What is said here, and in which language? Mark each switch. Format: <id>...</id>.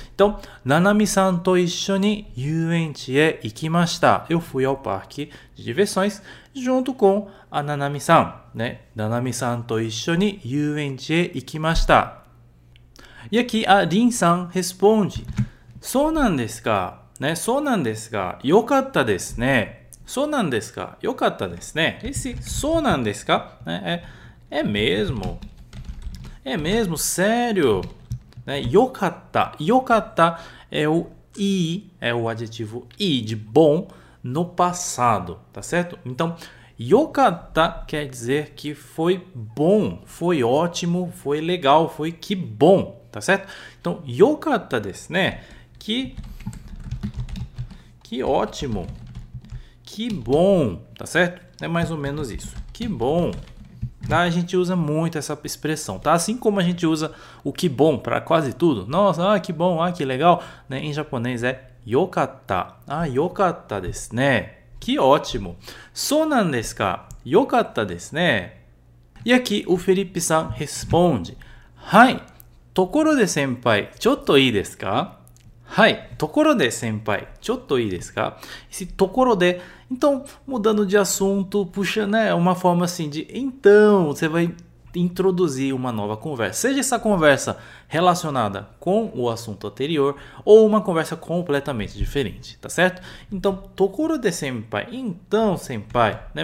<ja>Então, Nanami-san to isshō ni yūen-chi e ikimashita.</ja> <pt>Eu fui ao parque de diversões junto com a Nanami-san, né?</pt> <ja>Nanami-san to isshō ni yūen-chi e ikimashita.</ja> <pt>E aqui a Rin-san responde:</pt> <ja>そうなんですか。ね、そうなんですが、よかったですね。そうなんですか、よかったですね。</ja> <pt>Esse</pt> <ja>そうなんですか、ね、</ja> <pt>é mesmo? É mesmo? Sério? Né?</pt> <ja>よかった。よかった</ja> <pt>é o adjetivo i de bom no passado, tá certo? Então,</pt> <ja>よかった</ja> <pt>quer dizer que foi bom, foi ótimo, foi legal, foi que bom, tá certo?</pt> <ja>Então, よかったですね。</ja> <pt>Que ótimo, que bom, tá certo? É mais ou menos isso. Que bom. Tá? A gente usa muito essa expressão, tá? Assim como a gente usa o que bom para quase tudo. Nossa, ah, que bom, ah, que legal, né? Em japonês é</pt> <ja>yokatta. Ah, yokatta desu ne.</ja> <pt>Que ótimo.</pt> <ja>So nan desu ka? Yokatta desu ne.</ja> <pt>E aqui o Felipe San responde:</pt> <ja>Hai, tokoro de senpai, chotto ii desu ka? はい、ところで先輩、ちょっといいですか？</ja> <pt>Esse</pt> <ja>ところで、</ja> <pt>então mudando de assunto, puxa, né? Uma forma assim de, então você vai introduzir uma nova conversa. Seja essa conversa relacionada com o assunto anterior ou uma conversa completamente diferente, tá certo? Então,</pt> <ja>ところで先輩、</ja> <pt>então senpai, né?</pt>